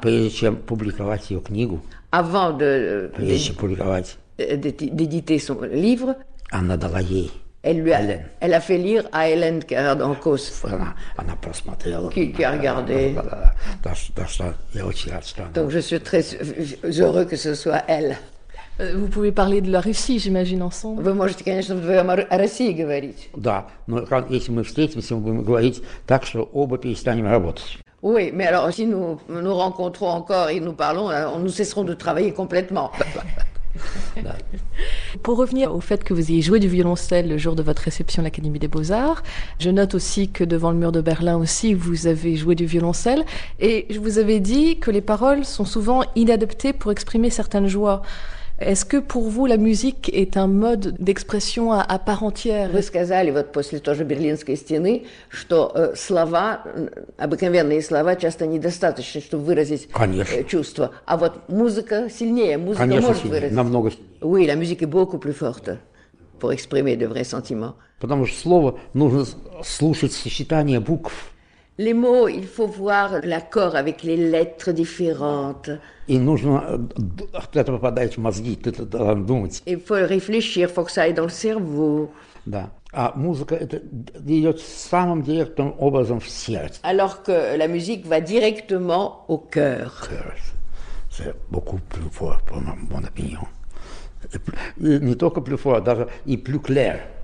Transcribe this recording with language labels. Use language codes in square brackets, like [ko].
[ru] Прежде чем публиковать ее книгу. [fr] Avant de. [ru] Прежде чем публиковать. [fr] D'éditer son livre. [ru] Она дала ей. [fr] Elle lui a, elle a fait lire à Hélène Carrère d'Ancos. [ru] Она просмотрела. [fr] Qui a regardé. Donc je suis très heureux que ce soit elle. Vous pouvez parler de la Russie, j'imagine, ensemble. [ru] Вы можете, конечно, вдвоем о России говорить. Да, но если мы встретимся, мы будем говорить так, что оба перестанем работать. [fr] Oui, mais alors si nous nous rencontrons encore et nous parlons, nous cesserons de travailler complètement. Pour revenir au fait que vous ayez joué du violoncelle le jour de votre réception à l'Académie des Beaux-Arts, je note aussi que devant le mur de Berlin aussi, vous avez joué du violoncelle. Et je vous avais dit que les paroles sont souvent inadaptées pour exprimer certaines joies. Est-ce que pour vous, la musique est un mode d'expression à part entière? Vous avez dit, après la même [ru] Берлинской стены, [fr] que les mots, [ru] обыкновенные слова, часто недостаточны, чтобы выразить чувства. А вот музыка сильнее, музыка конечно, может сильнее. Выразить. Намного... [fr] Oui, la musique est beaucoup plus forte pour exprimer de vrais sentiments. [ru] Потому что слово нужно слушать сочетание букв. [fr] Les mots, il faut voir l'accord avec les lettres différentes. [ru] И нужно, это попадает в мозги, ты это должен думать. [fr] Il faut réfléchir, faut que ça aille dans le cerveau. [ru] Да. А музыка это идет самым директным образом в сердце. [fr] Alors que la musique va directement au cœur. Cœur, c'est beaucoup plus fort, pour mon opinion. [ru] Не только [fr] plus fort, [ru] даже и [fr] plus clair.